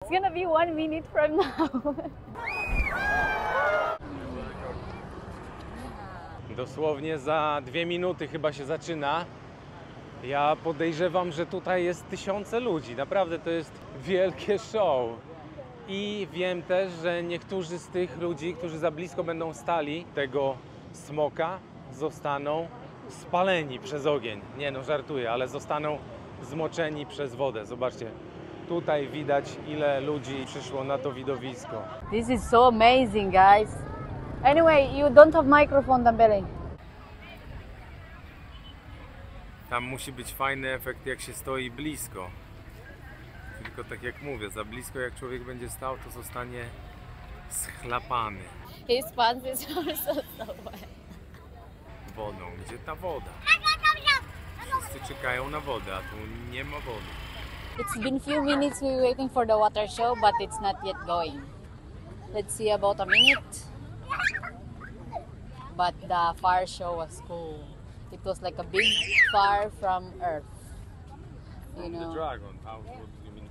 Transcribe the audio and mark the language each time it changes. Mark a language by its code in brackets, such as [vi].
[en] It's gonna be 1 minute from now. [pl] Dosłownie za 2 minuty chyba się zaczyna. Ja podejrzewam, że tutaj jest tysiące ludzi. Naprawdę to jest wielkie show. I wiem też, że niektórzy z tych ludzi, którzy za blisko będą stali tego smoka, zostaną spaleni przez ogień. Nie no, żartuję, ale zostaną zmoczeni przez wodę. Zobaczcie. Tutaj widać, ile ludzi przyszło na to widowisko. [en] This is so amazing, guys. Anyway, you don't have microphone, Dembele. [pl] Tam musi być fajny efekt, jak się stoi blisko. Tylko tak jak mówię, za blisko jak człowiek będzie stał, to zostanie schlapany. [en] His pants is also so wet. [pl] Wodą. Gdzie ta woda? Wszyscy czekają na wodę, a tu nie ma wody. [en] It's been few minutes we're waiting for the water show, but it's not yet going. Let's see about a minute. But the fire show was cool. It was like a big fire from Earth. You know? From the dragon, how would you mean?